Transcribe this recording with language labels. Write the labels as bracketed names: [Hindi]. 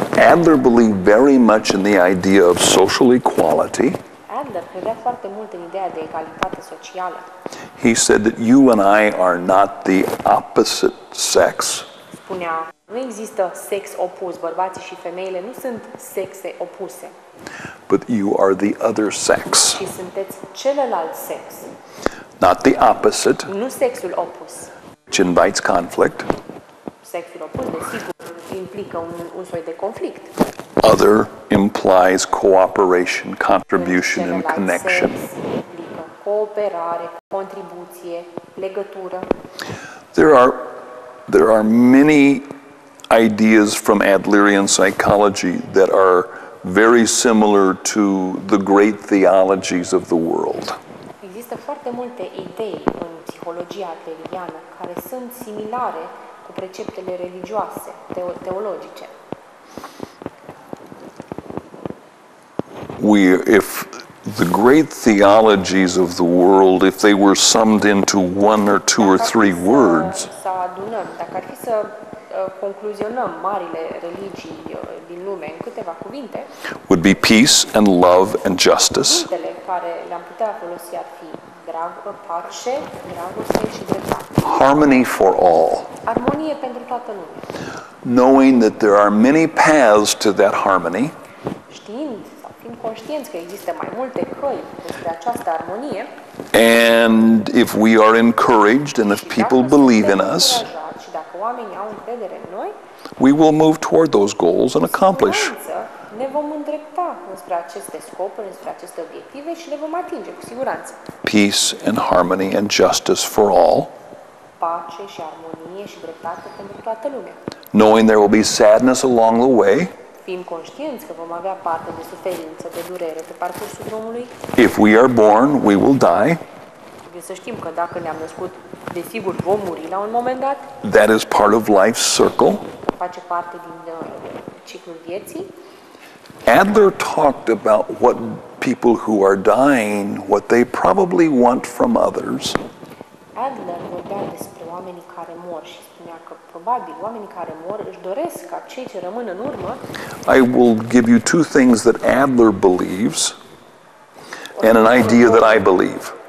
[English] Adler believed very much in the idea of social equality. Adler [Romanian] Alexander credea foarte mult în ideea de egalitate socială. [English] He said that you and I are not the opposite sex. [Romanian] Spunea, nu există sex opus, bărbații și femeile nu sunt sexe opuse. [English] But you are the other sex. [Romanian] Și sunteți celălalt sex. [English] Not the opposite. [Romanian] Nu sexul opus. [English] Which invites conflict. [Romanian] Sexul opus, desigur, implică un soi de conflict. [English] Other implies cooperation, contribution, and connection. [Romanian] Cooperare, contribuție, legătură. [English] There are many ideas from Adlerian psychology that are very similar to the great theologies of the world. [Romanian] Există foarte multe idei în psihologia adleriană care sunt similare cu preceptele religioase, teologice. [English] If the great theologies of the world, if they were summed into one or two or three words, [Romanian] să adunăm, dacă ar fi să concluzionăm marile religii din lume în câteva cuvinte, [English] would be peace and love and justice. [Romanian] Cuvintele care le-am putea folosi ar fi dragă, pace, dragoste și dreptate. [English] Harmony for all. [Romanian] Armonie pentru toată lumea. [English] Knowing that there are many paths to that harmony. [Romanian] Știind fiind conștienți că există mai multe căi despre această armonie. [English] And if we are encouraged and if people believe in us, [Romanian] și dacă oamenii au încredere în noi, [English] we will move toward those goals and accomplish. [Romanian] Ne vom îndrepta spre aceste scopuri, spre aceste obiective și le vom atinge cu siguranță. [English] Peace and harmony and justice for all. [Romanian] Pace și armonie și dreptate pentru toată lumea. [English] Knowing there will be sadness along the way. [Romanian] Fiind conștienți că vom avea parte de suferință, de durere pe parcursul drumului. [English] If we are born, we will die. [Romanian] Trebuie să știm că dacă ne-am născut, desigur vom muri la un moment dat. [English] That is part of life's circle. [Romanian] Face parte din ciclul vieții. [English] Adler talked about what people who are dying, what they probably want from others. [Romanian] Adler vorbea despre oamenii care mor și spunea că probabil oamenii care mor își doresc ca cei ce rămân în urmă. [English] I will give you two things that Adler believes and an idea that I believe.